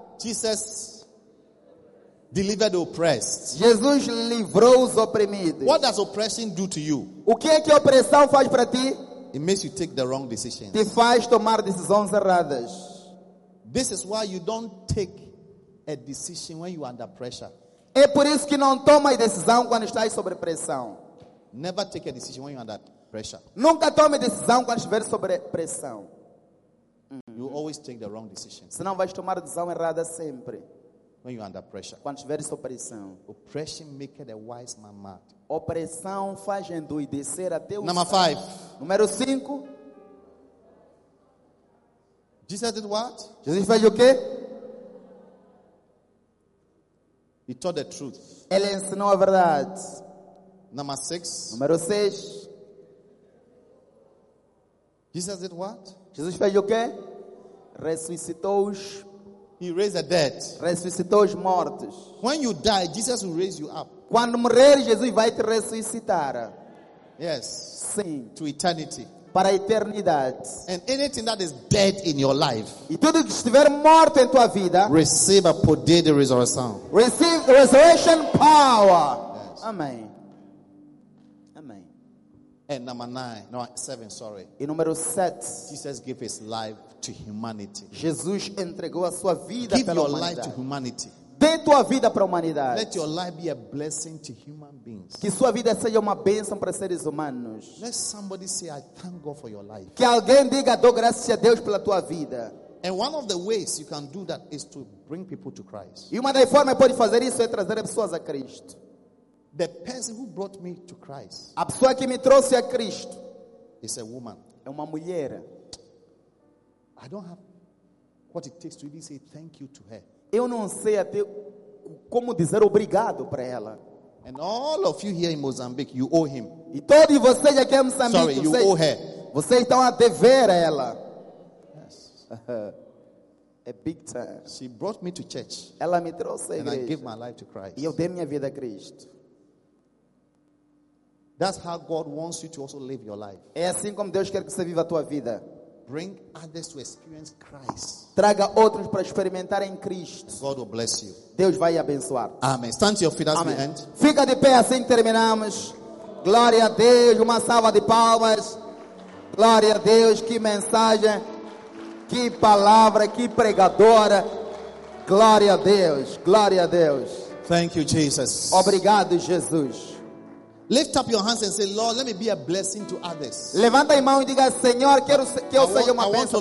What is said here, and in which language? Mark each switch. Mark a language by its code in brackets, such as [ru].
[en] Jesus delivered the oppressed. [pt] Jesus livrou os oprimidos. [en] What does oppression do to you? [pt] O que é que a opressão faz para ti? [en] It makes you take the wrong decisions. [pt] Te faz tomar decisões erradas. [en] This is why you don't take a decision when you are under pressure. [pt] É por isso que não toma decisão quando está sob pressão. [en] Never take a decision when you are under pressure. [pt] Nunca tome decisão quando estiver sob pressão. [en] you always take the wrong decision. [pt] Senão vais tomar a decisão errada sempre. [en] When you're under pressure. [pt] Quando tiveres opressão. [en] Oppression make a wise man mad. [pt] Opressão faz endoidecer até o [en] Number five. [pt] Número 5. [en] Jesus did what? [pt] Jesus fez o quê? [en] He taught the truth. [pt] Ele ensinou a verdade. [en] Number 6. [pt] Número 6. [en] Jesus did what? [pt] Jesus fez o quê? Ressuscitou-os. [en] He raised the dead. [pt] Ressuscitou os mortos. [en] When you die, Jesus will raise you up. [pt] Quando morrer, Jesus vai te ressuscitar. [en] Yes. [pt] Sim. [en] To eternity. [pt] Para a eternidade. [en] And anything that is dead in your life, [pt] e tudo que estiver morto em tua vida, [en] receive [pt] a poder de resurreção. [en] Receive resurrection power. Yes. [pt] Amém. Amém. [en] And number seven. [pt] E número 7. [en] Jesus gave his life to humanity. [pt] Jesus entregou a sua vida [en] Give [pt] pela humanidade. [en] Life to humanity. [pt] Dê tua vida para a humanidade. [en] Let your life be a blessing to human beings. [pt] Que sua vida seja uma bênção para seres humanos. [en] Let somebody say, I thank God for your life. [pt] Que alguém diga, dou graças a Deus pela tua vida. [en] And one of the ways you can do that is to bring people to Christ. [pt] E uma das formas pode fazer isso é trazer pessoas a Cristo. [en] The person who brought me to Christ. [pt] A pessoa que me trouxe a Cristo. [en] Is a woman. [pt] É uma mulher. [en] I don't have what it takes to even say thank you to her. [pt] Eu não sei até como dizer obrigado para ela. [en] And all of you here in Mozambique, you owe him. [pt] E todos vocês aqui em Moçambique, [en] Sorry, you owe her. [pt] Vocês estão a dever a ela. [en] Yes. A big time. She brought me to church. [pt] Ela me trouxe [en] and [pt] à igreja. [en] I gave my life to Christ. [pt] E eu dei minha vida a Cristo. [en] That's how God wants you to also live your life. [pt] É assim como Deus quer que você viva a tua vida. [en] Bring others to experience Christ. [pt] Traga outros para experimentar em Cristo. [en] God will bless you. [pt] Deus vai abençoar. [en] Amen. Stand to your feet as we end. [pt] Fica de pé assim que terminamos. Glória a Deus. Uma salva de palmas. Glória a Deus. Que mensagem. Que palavra. Que pregadora. Glória a Deus. Glória a Deus. [en] Thank you, Jesus. [pt] Obrigado, Jesus. [en] Lift up your hands and say, Lord, let me be a blessing to others. [pt] Levanta a mão e diga, Senhor, quero que eu seja uma bênção.